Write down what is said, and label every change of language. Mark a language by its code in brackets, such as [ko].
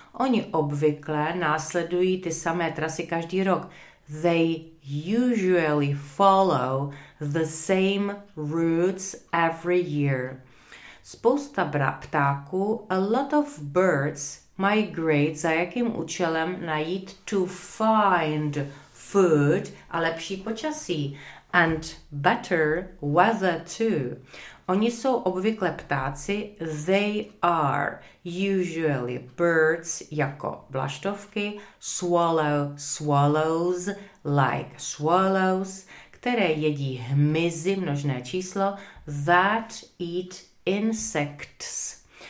[cs] Oni obvykle následují ty samé trasy každý rok. [en] They usually follow the same routes every year. [cs] Spousta ptáků, [en] a lot of birds, migrate [cs] za jakým účelem? Najít [en] to find food [cs] a lepší počasí. [en] And better weather too. [cs] Oni jsou obvykle ptáci, [en] they are usually birds, [cs] jako vlaštovky, [en] swallows, like swallows, [cs] které jedí hmyzy, množné číslo, [en] that eat insects.